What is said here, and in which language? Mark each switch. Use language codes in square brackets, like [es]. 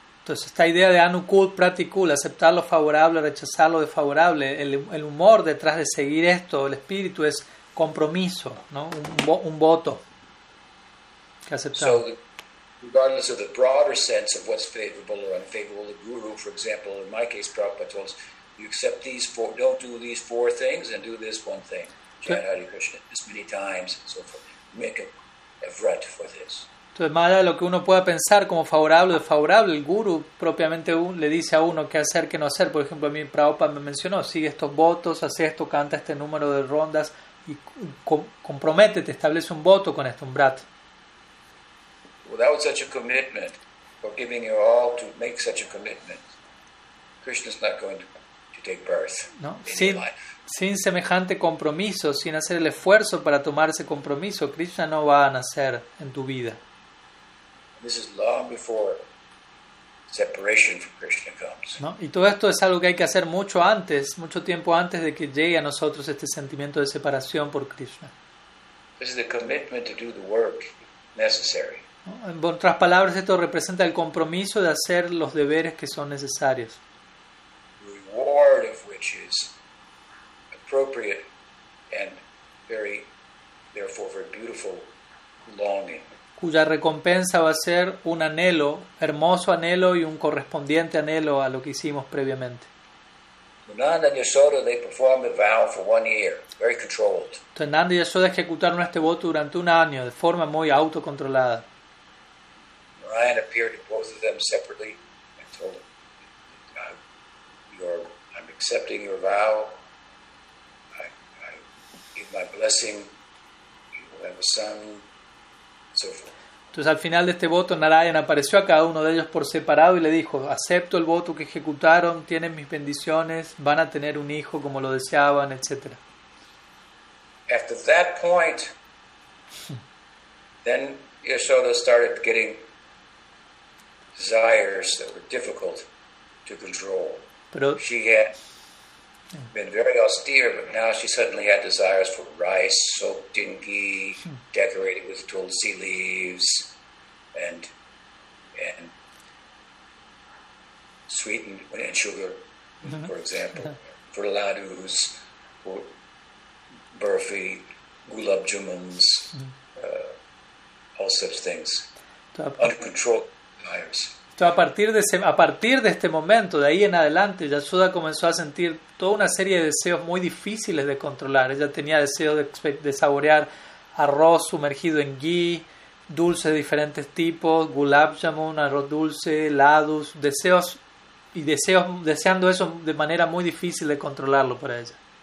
[es] Entonces esta idea de anukul pratikul, aceptar lo favorable, rechazar lo desfavorable, el humor detrás de seguir esto, el espíritu es compromiso, ¿no? Un voto que aceptar. [en] So, regardless of the broader sense of what's favorable or unfavorable, the guru, for example, in my case, Prabhupada told us, you accept these four, don't do these four things and do this one thing. Chant Hare Krishna this many times and so forth. Make a vrata for this. [es] Entonces, más allá de lo que uno pueda pensar como favorable o desfavorable, el guru propiamente le dice a uno qué hacer, qué no hacer. Por ejemplo, a mí Prabhupada me mencionó, sigue estos votos, hace esto, canta este número de rondas y comprométete, establece un voto con esto, un brat. [en] Without such a commitment, or giving your all to make such a commitment, Krishna's not going to take birth, [es] ¿no? [en] In [es] sin, [en] your life. [es] Sin semejante compromiso, sin hacer el esfuerzo para tomar ese compromiso, Krishna no va a nacer en tu vida. [en] This is long before separation from Krishna comes. [es] ¿No? Y todo esto es algo que hay que hacer mucho antes, mucho tiempo antes de que llegue a nosotros este sentimiento de separación por Krishna. [en] This is the commitment to do the work necessary. [es] ¿No? En otras palabras, esto representa el compromiso de hacer los deberes que son necesarios. [en] The reward of which is appropriate and very, therefore, very beautiful longing. [es] cuya recompensa va a ser un anhelo, hermoso anhelo y un correspondiente anhelo a lo que hicimos previamente. [en] Nanda y Yashoda, they performed a vow for 1 year, very controlled. [es] Nanda y Yashoda ejecutaron este voto durante un año de forma muy autocontrolada. [en] Narayana appeared to both of them separately and told them, I'm accepting your vow. I give my blessing. You will have a son. So forth. [es] Entonces al final de este voto Narayana apareció a cada uno de ellos por separado y le dijo, acepto el voto que ejecutaron, tienen mis bendiciones, van a tener un hijo como lo deseaban, etc. [en] After that point, then Yashoda started getting desires that were difficult to control. [es] Pero, [en] she had been very austere, but now she suddenly had desires for rice soaked in ghee, decorated with tulsi leaves, and sweetened with sugar, for example, for laddus, for burfi, gulab jamuns, all such things, uncontrolled desires. [es] A partir de este momento, de ahí en adelante, Yashoda comenzó a sentir toda una serie de deseos muy difíciles de controlar. Ella tenía deseo de saborear arroz sumergido en ghee, dulces de diferentes tipos, gulab jamun, arroz dulce, ladus, deseos y deseos, deseando eso de manera muy difícil de controlarlo para ella.